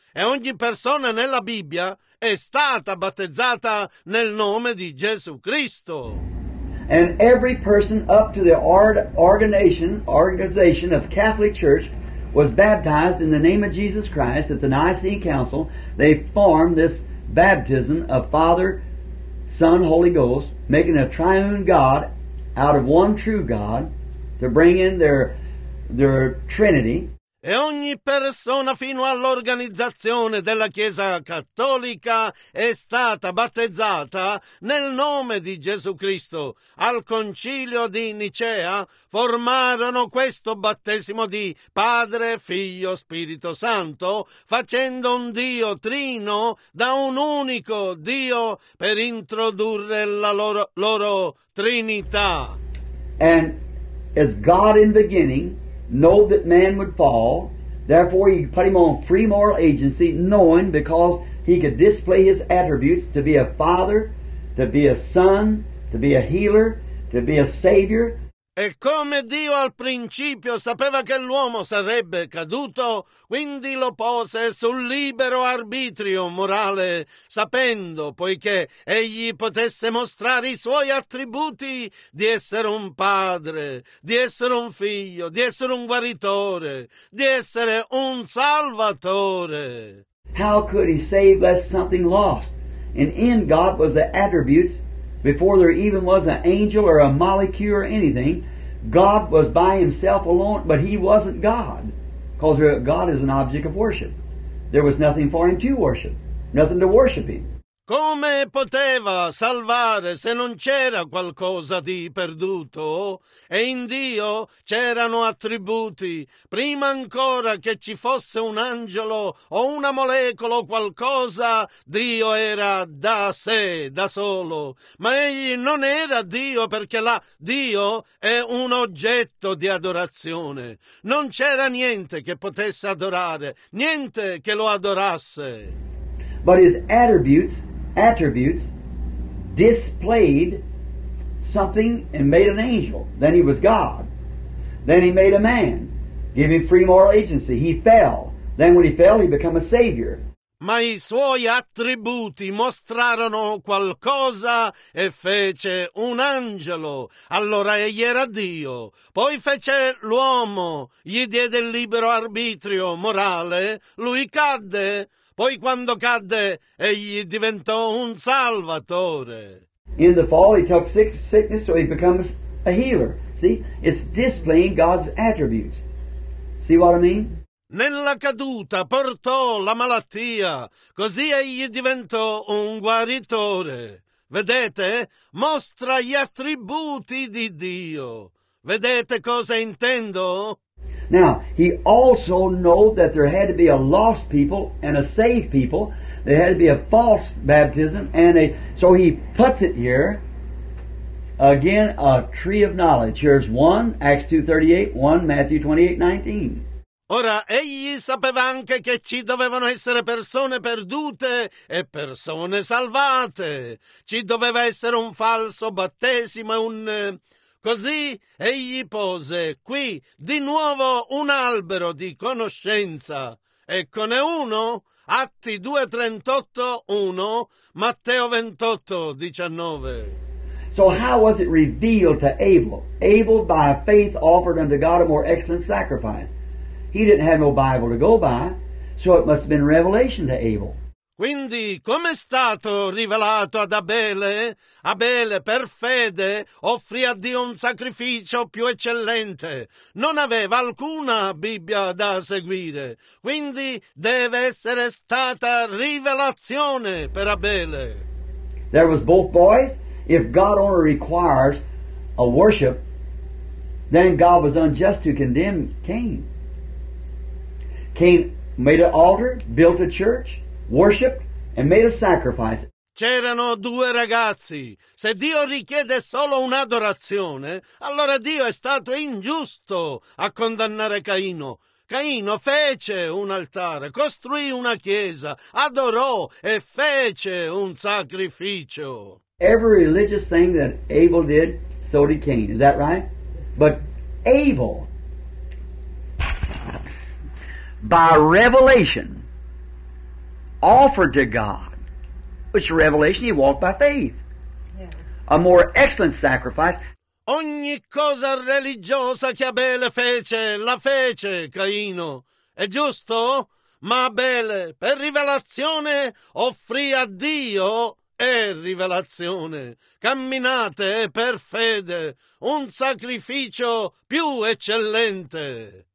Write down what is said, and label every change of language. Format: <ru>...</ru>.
<it>E ogni persona nella Bibbia è stata battezzata nel nome di Gesù Cristo.</it> <en>And every person up to the organization of Catholic Church was baptized in the name of Jesus Christ at the Nicene Council. They formed this baptism of Father, Son, Holy Ghost, making a triune God out of one true God to bring in their Trinity.</en> <it>E ogni persona fino all'organizzazione della Chiesa Cattolica è stata battezzata nel nome di Gesù Cristo. Al Concilio di Nicea formarono questo battesimo di Padre, Figlio, Spirito Santo, facendo un Dio trino da un unico Dio per introdurre la loro Trinità.</it> <en>And as God in beginning know that man would fall, therefore he put him on free moral agency, knowing because he could display his attributes to be a father, to be a son, to be a healer, to be a savior.</en> <it>E come Dio al principio sapeva che l'uomo sarebbe caduto, quindi lo pose sul libero arbitrio morale, sapendo poiché egli potesse mostrare i suoi attributi di essere un padre, di essere un figlio, di essere un guaritore, di essere un salvatore.</it> <en>How could he save us something lost? And in God was the attributes. Before there even was an angel or a molecule or anything, God was by himself alone, but he wasn't God, because God is an object of worship. There was nothing for him to worship, nothing to worship him.</en> <it>Come poteva salvare se non c'era qualcosa di perduto? E in Dio c'erano attributi. Prima ancora che ci fosse un angelo o una molecola o qualcosa, Dio era da sé, da solo. Ma egli non era Dio, perché là Dio è un oggetto di adorazione. Non c'era niente che potesse adorare, niente che lo adorasse.</it> <en>But his attributes displayed something and made an angel. Then he was God. Then he made a man, gave him free moral agency. He fell. Then when he fell, he became a savior.</en> <it>Ma i suoi attributi mostrarono qualcosa e fece un angelo. Allora egli era Dio. Poi fece l'uomo, gli diede il libero arbitrio morale, lui cadde. Poi quando cadde, egli diventò un salvatore.</it> <en>In the fall, he took sickness, so he becomes a healer. See, it's displaying God's attributes. See what I mean?</en> <it>Nella caduta portò la malattia, così egli diventò un guaritore. Vedete? Mostra gli attributi di Dio. Vedete cosa intendo?</it> <en>Now, he also knew that there had to be a lost people and a saved people. There had to be a false baptism. So he puts it here, again, a tree of knowledge. Here's one, Acts 2:38, one, Matthew 28:19.</en> <it>Ora, egli sapeva anche che ci dovevano essere persone perdute e persone salvate. Ci doveva essere un falso battesimo, un... Così egli pose qui di nuovo un albero di conoscenza. Eccone uno, Atti 2:38, 1, Matteo 28:19.</it> <en>So how was it revealed to Abel? Abel by faith offered unto God a more excellent sacrifice. He didn't have no Bible to go by, so it must have been revelation to Abel.</en> <it>Quindi, come è stato rivelato ad Abele? Abele, per fede, offrì a Dio un sacrificio più eccellente. Non aveva alcuna Bibbia da seguire. Quindi, deve essere stata rivelazione per Abele.</it> <en>There was both boys. If God only requires a worship, then God was unjust to condemn Cain. Cain made an altar, built a church, worship and made a sacrifice.</en> <it>C'erano due ragazzi. Se Dio richiede solo un'adorazione, allora Dio è stato ingiusto a condannare Caino. Caino fece un altare, costruì una chiesa, adorò e fece un sacrificio.</it> <en>Every religious thing that Abel did, so did Cain. Is that right? But Abel, by revelation, offered to God, which revelation he walked by faith, yeah, a more excellent sacrifice.</en> <it>Ogni cosa religiosa che Abele fece, la fece Caino. È giusto? Ma Abele, per rivelazione, offrì a Dio e rivelazione. Camminate per fede, un sacrificio più eccellente.</it>